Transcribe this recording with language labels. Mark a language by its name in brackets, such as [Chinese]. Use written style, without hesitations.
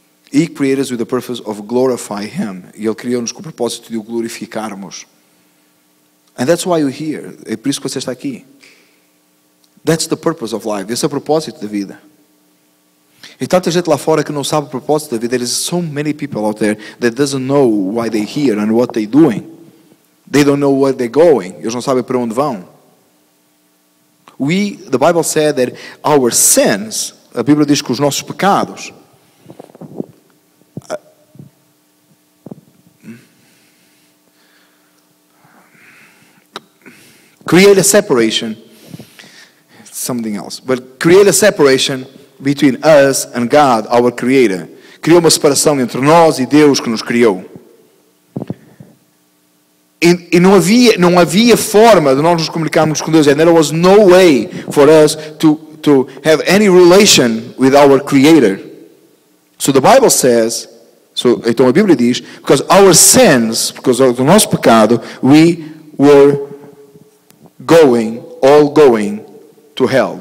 [English] He created us with a purpose of glorify Him. [Portuguese] E Ele criou-nos com o propósito de o glorificarmos. [English] And that's why you're here. [Portuguese] É por isso que você está aqui. [English] That's the purpose of life. [Portuguese] Esse é o propósito da vida. E tanta gente lá fora que não sabe o propósito da vida. [English] There is so many people out there that doesn't know why they're here and what they're doing. They don't know where they're going. [Portuguese] Eles não sabem para onde vão. [English] The Bible said that our sins, [Portuguese] a Bíblia diz que os nossos pecados, [English] create a separation, something else, but create a separation between us and God, our Creator. [Portuguese] Criou uma separação entre nós e Deus que nos criou. E não havia forma de nós nos comunicarmos com Deus. [English] And there was no way for us to have any relation with our Creator. So the Bible says, [Portuguese] então a Bíblia diz, [English] because our sins, because of the [Portuguese] nosso pecado, [English] we were going, all going to hell.